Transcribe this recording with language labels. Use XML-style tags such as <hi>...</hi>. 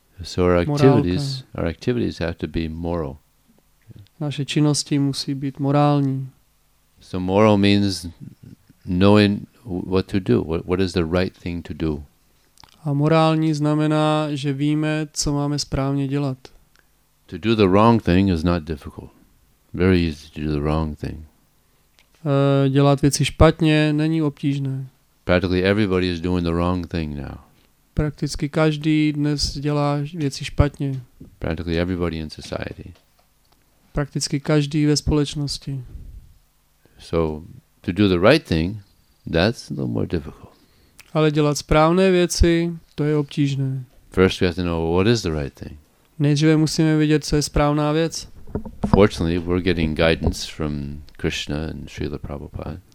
<en>So our activities have to be moral.</en> <cs>Naše činnosti musí být morální.</cs> <en>So moral means knowing what to do. What is the right thing to do?</en> <cs>A morální znamená, že víme, co máme správně dělat.</cs> <en>To do the wrong thing is not difficult. Very easy to do the wrong thing.</en> <cs>Dělat věci špatně není obtížné.</cs> <en>Practically everybody is doing the wrong thing now.</en> <cs>Prakticky každý dnes dělá věci špatně.</cs> <en>Practically everybody in society.</en> <cs>Prakticky každý ve společnosti.</cs> <en>So to do the right thing, that's a little more difficult.</en> <cs>Ale dělat správné věci, to je obtížné.</cs> <en>First we have to know what is the right thing.</en> <cs>Nejdříve musíme vědět, co je správná věc.</cs> <en>Fortunately, we're getting guidance from Krishna and Srila Prabhupada.</en>